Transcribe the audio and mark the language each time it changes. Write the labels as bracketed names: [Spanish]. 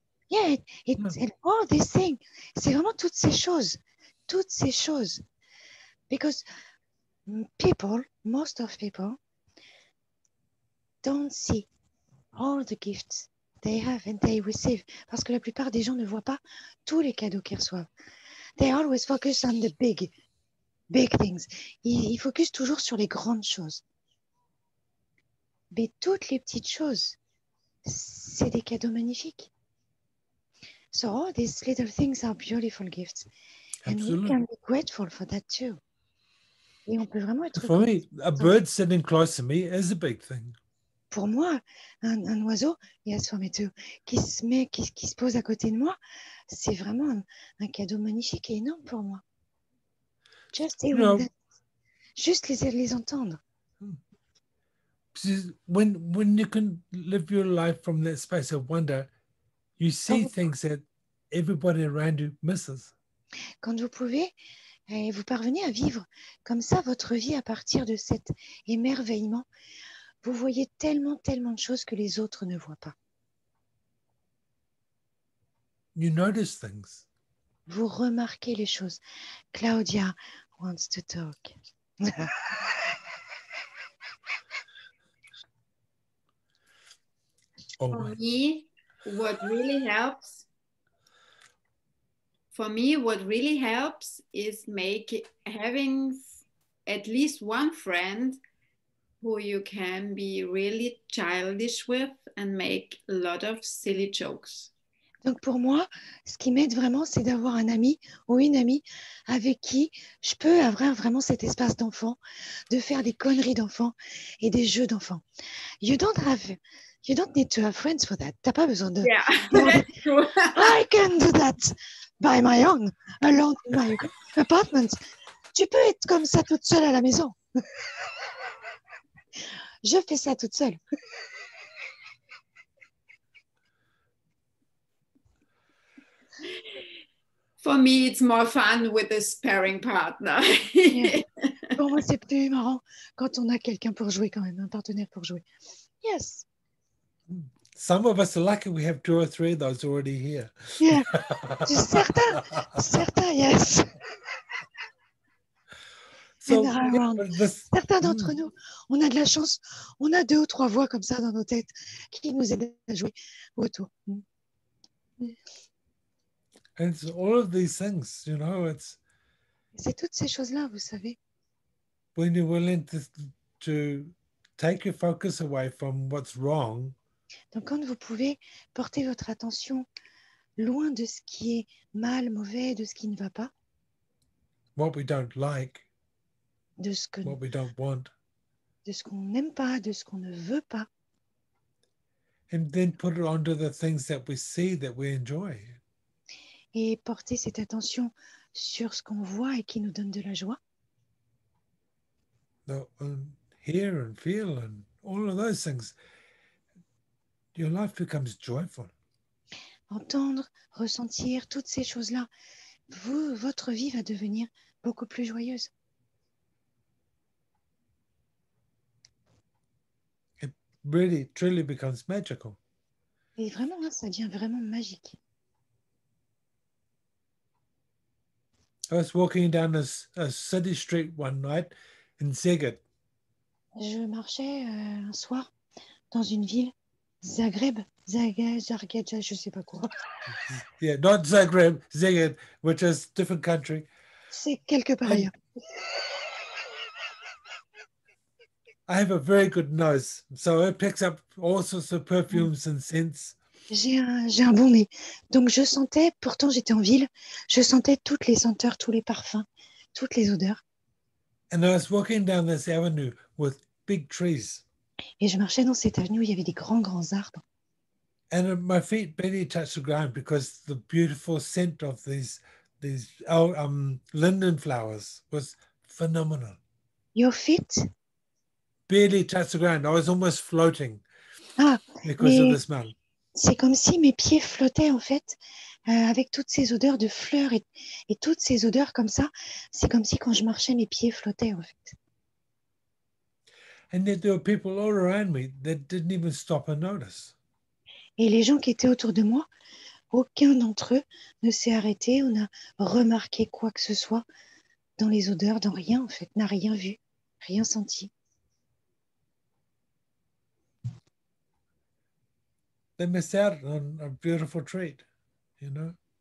[English] Yeah, all this thing. [French] C'est vraiment toutes ces choses. [English] Because most of people don't see all the gifts they have and they receive. [French] Parce que la plupart des gens ne voient pas tous les cadeaux qu'ils reçoivent. [English] They always focus on the big things. [French] Ils focus toujours sur les grandes choses. Mais toutes les petites choses, c'est des cadeaux magnifiques. [English] So all these little things are beautiful gifts. And Absolutely. We can be grateful for that too. [French] Et on peut vraiment être [English] For me, a bird sitting close to me is a big thing. [French] Pour moi, un oiseau, [English] yes, for me too, [French] qui se pose à côté de moi, c'est vraiment un cadeau magnifique et énorme pour moi. [English] Just hearing you know, [French] that. Juste les entendre. [English] When you can live your life from that space of wonder, you see things that everybody around you misses. [French] Quand vous pouvez... Et vous parvenez à vivre comme ça votre vie à partir de cet émerveillement. Vous voyez tellement, tellement de choses que les autres ne voient pas. [English] You notice things. [French] Vous remarquez les choses. [English] Claudia wants to talk. For me, what really helps... For me, what really helps is having at least one friend who you can be really childish with and make a lot of silly jokes. [French] Donc pour moi, ce qui m'aide vraiment, c'est d'avoir un ami ou une amie avec qui je peux avoir vraiment cet espace d'enfant, de faire des conneries d'enfant et des jeux d'enfant. [English] You don't need to have friends for that. [French] T'as pas besoin de... [English] Yeah, that's true. I can do that. By my own, alone in my apartment. [French] Tu peux être comme ça toute seule à la maison. Je fais ça toute seule. [English] For me, it's more fun with a sparing partner. Yeah. [French] Pour moi, c'est plus marrant quand on a quelqu'un pour jouer quand même, un partenaire pour jouer. [English] Yes. Some of us are lucky we have two or three of those already here. Yeah, certain, certain, yes. So, [French] certains d'entre nous, on a de la chance, on a deux ou trois voix comme ça dans nos têtes qui nous aident à jouer autour. [English] And it's all of these things, you know, it's... [French] C'est toutes ces choses-là, vous savez. [English] When you're willing to take your focus away from what's wrong, [French] donc, quand vous pouvez porter votre attention loin de ce qui est mal, mauvais, de ce qui ne va pas, [English] what we don't like, [French] de ce que, [English] what we don't want, [French] de ce qu'on n'aime pas, de ce qu'on ne veut pas, [English] and then put it onto the things that we see that we enjoy, [French] et porter cette attention sur ce qu'on voit et qui nous donne de la joie, [English] the, and hear and feel and all of those things. Your life becomes joyful. [French] Entendre, ressentir toutes ces choses-là, vous, votre vie va devenir beaucoup plus joyeuse. [English] It really, truly becomes magical. [French] Et vraiment, ça devient vraiment magique. [English] I was walking down a city street one night in Szeged. [French] Je marchais un soir dans une ville, Zagreb, je ne sais pas quoi. [English] Yeah, not Zagreb, Szeged, which is a different country. [French] C'est quelque part ailleurs. [English] I have a very good nose, so it picks up all sorts of perfumes and scents. [French] J'ai un bon nez. Donc je sentais, pourtant j'étais en ville, je sentais toutes les senteurs, tous les parfums, toutes les odeurs. [English] And I was walking down this avenue with big trees. [French] Et je marchais dans cette avenue où il y avait des grands arbres. [English] And my feet barely touched the ground because the beautiful scent of these linden flowers was phenomenal. Your feet? Barely touched the ground. I was almost floating because of the smell. [French] C'est comme si mes pieds flottaient en fait avec toutes ces odeurs de fleurs et toutes ces odeurs comme ça. C'est comme si quand je marchais, mes pieds flottaient en fait. [English] And there were people all around me that didn't even stop and notice. [French] Et les gens qui étaient autour de moi, aucun d'entre eux ne s'est arrêté ou n'a remarqué quoi que ce soit dans les odeurs, dans rien en fait, n'a rien vu, rien senti. [English] They missed out on a beautiful treat, you know.